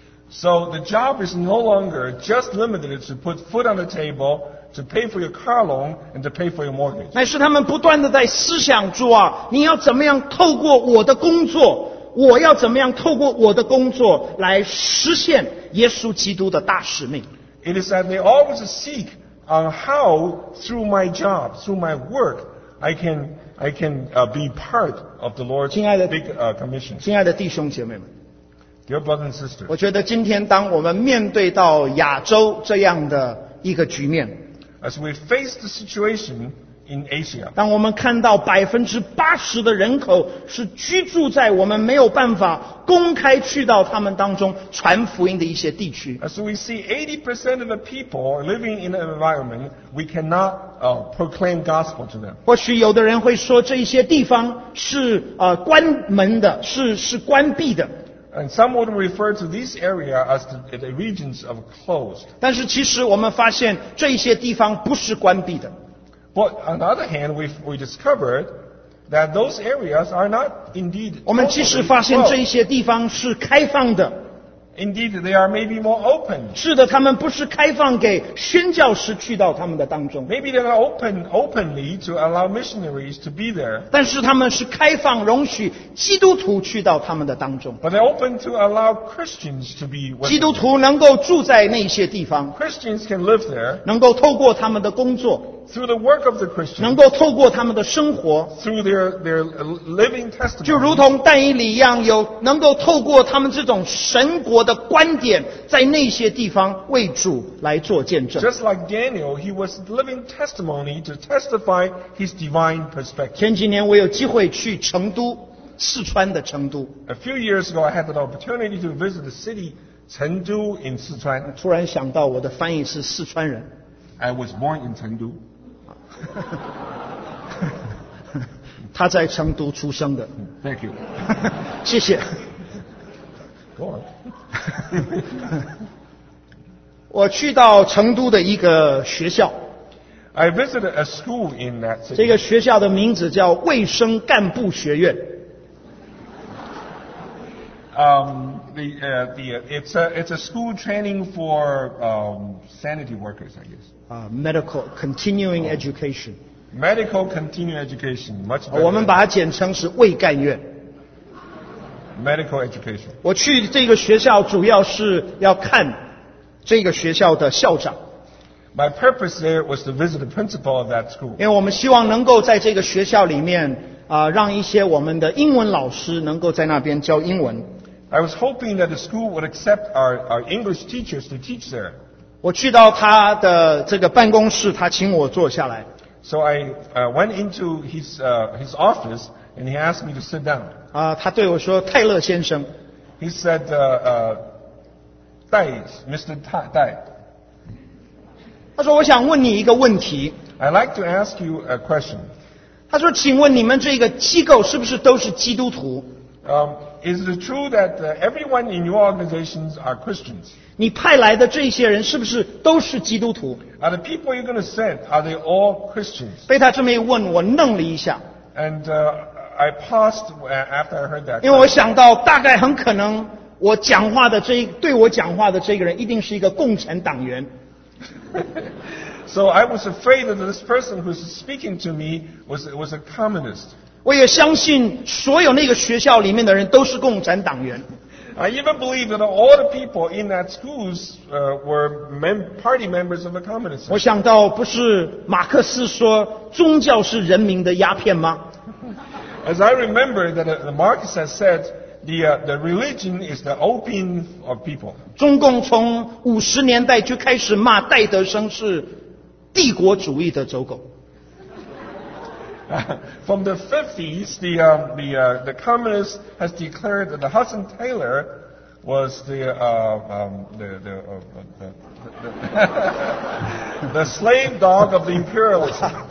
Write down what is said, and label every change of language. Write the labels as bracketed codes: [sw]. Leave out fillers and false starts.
[en] So the job is no longer just limited to put food on the table, to pay for your car loan, and to pay for your mortgage. [zh] 乃是他们不断地在思想住啊，你要怎么样透过我的工作，我要怎么样透过我的工作来实现耶稣基督的大使命。 [en] It is that they always seek on how through my job, through my work, I can be part of the Lord's big commission. [zh] 亲爱的弟兄姐妹们， [en] Dear brothers and sisters, [zh] 我觉得今天当我们面对到亚洲这样的一个局面， [en] As we face the situation in Asia. [zh] 当我们看到80%的人口是居住在我们没有办法公开去到他们当中传福音的一些地区。 [en] So we see 80% of the people living in an environment we cannot proclaim gospel to them. [zh] 或许有的人会说这些地方是关门的，是关闭的。 [en] And some would refer to this area as the regions of closed. [zh] 但是其实我们发现这些地方不是关闭的。 [en] But on the other hand, we discovered that those areas are not indeed closed. [zh] 我们其实发现这些地方是开放的。 [en] Indeed, they are maybe more open. [zh] 是的，他们不是开放给宣教士去到他们的当中。 [en] Maybe they are openly to allow missionaries to be there. [zh] 但是他们是开放容许基督徒去到他们的当中。 [en] But they're open to allow Christians to be. [zh] 基督徒能够住在那些地方。 [en] Christians can live there. [zh] 能够透过他们的工作。 [en] Through the work of the Christians. [zh] 能够透过他们的生活。 [en] Through their living testimony. [zh] 就如同但以理一样，有能够透过他们这种神国的观点，在那些地方为主来做见证。 [en] Just like Daniel, he was living testimony to testify his divine perspective. [zh] 前几年我有机会去成都，四川的成都。 [en] A few years ago, I had the opportunity to visit the city, 成都 in 四川。 [zh] 突然想到我的翻译是四川人。 [en] I was born in 成都。 [zh] 他在成都出生的。 [en] Thank you. [zh] 谢谢。 [en] Go on. [zh] 我去到成都的一个学校。 [en] I visited a school in that city. [zh] 这个学校的名字叫卫生干部学院。 [en] It's a school training for sanity workers, I guess. Medical continuing education. Medical continuing education, much better. [zh] 我们把它简称是卫干院。 [en] Medical education. [zh] 我去这个学校主要是要看这个学校的校长。 [en] My purpose there was to visit the principal of that school. [zh] 因为我们希望能够在这个学校里面让一些我们的英文老师能够在那边教英文。 [en] I was hoping that the school would accept our English teachers to teach there. [zh] 我去到他的这个办公室，他请我坐下来。 [en] So I went into his office and he asked me to sit down. [zh] 他对我说，泰勒先生。 [en] He said, Dai, Mr. Dai. [zh] 他说，我想问你一个问题。 [en] I'd like to ask you a question. [zh] 他说，请问你们这个机构是不是都是基督徒？ [en] Is it true that everyone in your organizations are Christians? [zh] 你派来的这些人是不是都是基督徒？ [en] Are the people you're going to send, are they all Christians? [zh] 被他这么一问，我愣了一下。 [en] And I paused after I heard that. [zh] 因为我想到大概很可能我讲话的这一对我讲话的这个人一定是一个共产党员。 [en] So I was afraid that this person who's speaking to me was a communist. [zh] 我也相信所有那个学校里面的人都是共产党员。 [en] I even believe that all the people in that school were party members of the communists. [zh] 我想到不是马克思说宗教是人民的鸦片吗？ [en] As I remember that the Marxists had said the religion is the opium of people. [zh] 中共从50年代就开始骂戴德生是帝国主义的走狗。 [en] From the 50s, the communist has declared that the Hudson Taylor was the slave dog of the imperialism.